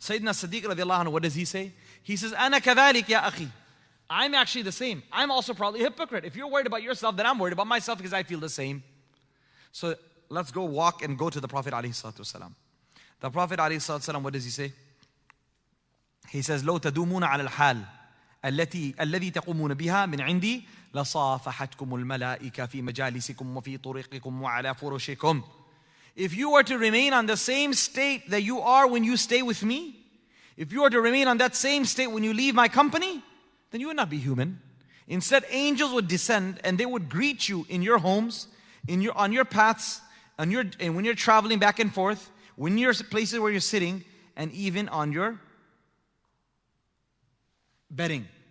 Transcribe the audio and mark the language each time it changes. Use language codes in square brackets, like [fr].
[en] Sayyidina Siddiq radiallahu anhu, what does he say? He says, [ar] "Ana kadhalik ya akhi." [en] I'm actually the same. I'm also probably a hypocrite. If you're worried about yourself, then I'm worried about myself because I feel the same. So let's go walk and go to the Prophet alayhi salatu wasalam. The Prophet alayhi salatu wasalam, what does he say? [ar] He says, لو تدومون على الحال الذي تقومون بها من عندي لصافحتكم الملائكة في مجالسكم وفي طريقكم وعلى فرشكم. [en] If you were to remain on the same state that you are when you stay with me, if you were to remain on that same state when you leave my company, then you would not be human. Instead, angels would descend and they would greet you in your homes, on your paths, and when you're traveling back and forth, when you're places where you're sitting, and even on your bedding.